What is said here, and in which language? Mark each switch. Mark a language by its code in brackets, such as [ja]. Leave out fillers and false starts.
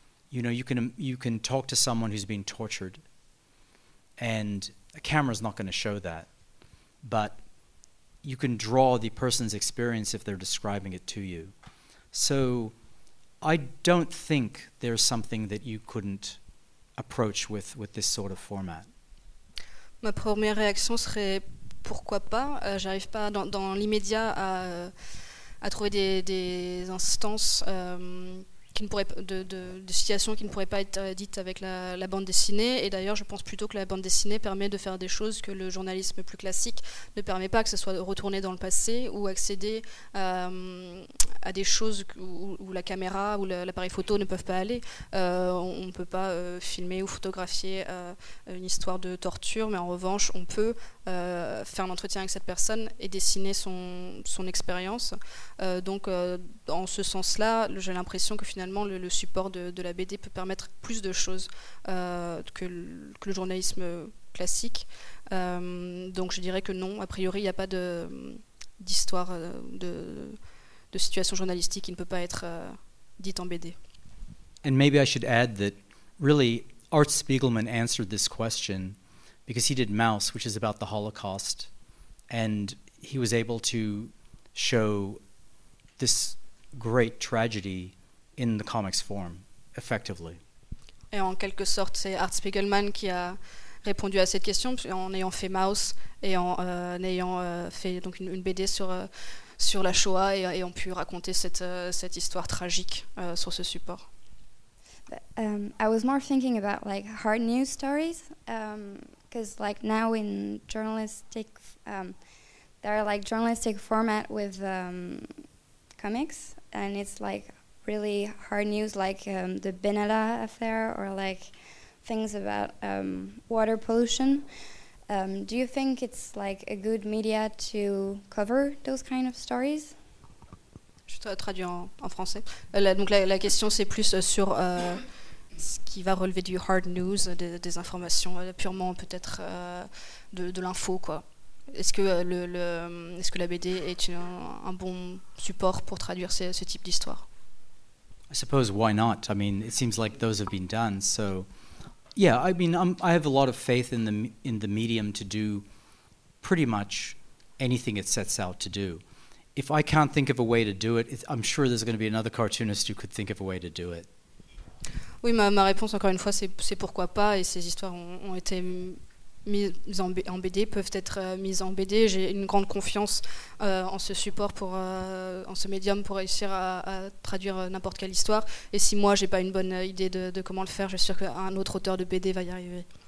[en] You know, you can talk to someone who's being tortured, and a camera's not going to show that. But you can draw the person's experience if they're describing it to you. So I don't think there's something that you couldn't approach with this sort of format. [fr] Ma première réaction serait pourquoi pas. J'arrive pas dans l'immédiat à trouver des instances qui ne pourraient de situations qui ne pourraient pas être dites avec la bande dessinée. Et d'ailleurs, je pense plutôt que la bande dessinée permet de faire des choses que le journalisme plus classique ne permet pas, que ce soit retourner dans le passé ou accéder à des choses où la caméra ou l'appareil photo ne peuvent pas aller. On ne peut pas filmer ou photographier une histoire de torture, mais en revanche, on peut faire un entretien avec cette personne et dessiner son expérience. Donc, en ce sens-là, j'ai l'impression que finalement, le support de la BD peut permettre plus de choses que le journalisme classique. Donc, je dirais que non. A priori, il n'y a pas d'histoire de situation journalistique qui ne peut pas être dite en BD. [en] And maybe I should add that really Art Spiegelman answered this question because he did Mouse, which is about the Holocaust, and he was able to show this great tragedy in the comics form effectively. [fr] Et en quelque sorte, c'est Art Spiegelman qui a répondu à cette question en ayant fait Maus et en ayant fait donc une BD sur la Shoah et ayant pu raconter cette histoire tragique sur ce support. [en] I was more thinking about like hard news stories, because like now in journalistic, there are like journalistic format with comics, and it's like really hard news, like the Benalla affair or like things about water pollution. Do you think it's like a good media to cover those kind of stories? [fr] Je traduis en français. La question, c'est plus sur ce qui va relever du hard news, des informations purement peut-être de l'info, quoi. Est-ce que la BD est un bon support pour traduire ce type d'histoire? [en] I suppose why not? I mean, it seems like those have been done. So, yeah, I mean, I have a lot of faith in the medium to do pretty much anything it sets out to do. If I can't think of a way to do it, I'm sure there's going to be another cartoonist who could think of a way to do it. [fr] Oui, ma réponse encore une fois, c'est pourquoi pas. Et ces histoires ont été mises en BD, peuvent être mises en BD. J'ai une grande confiance en ce support, en ce médium, pour réussir à traduire n'importe quelle histoire. Et si moi, j'ai pas une bonne idée de comment le faire, je suis sûr qu'un autre auteur de BD va y arriver.